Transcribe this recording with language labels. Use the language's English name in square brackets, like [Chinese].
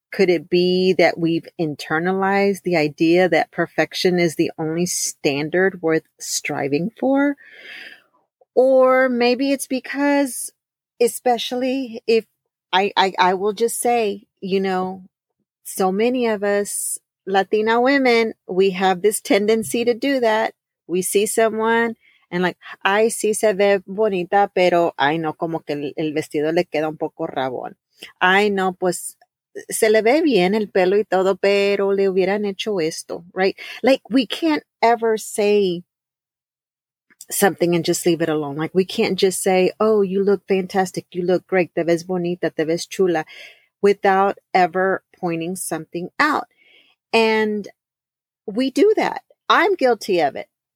[English] Could it be that we've internalized the idea that perfection is the only standard worth striving for? Or maybe it's because, especially if I will just say, you know, so many of us Latina women, we have this tendency to do that. [Spanish] We see someone and like, ay, sí se ve bonita, pero ay, no, como que el vestido le queda un poco rabón. Ay, no, pues, se le ve bien el pelo y todo, pero le hubieran hecho esto, [English] right? Like, we can't ever say something and just leave it alone. Like, we can't just say, oh, you look fantastic, you look great, [Spanish] te ves bonita, te ves chula, [English] without ever pointing something out. And we do that. I'm guilty of it.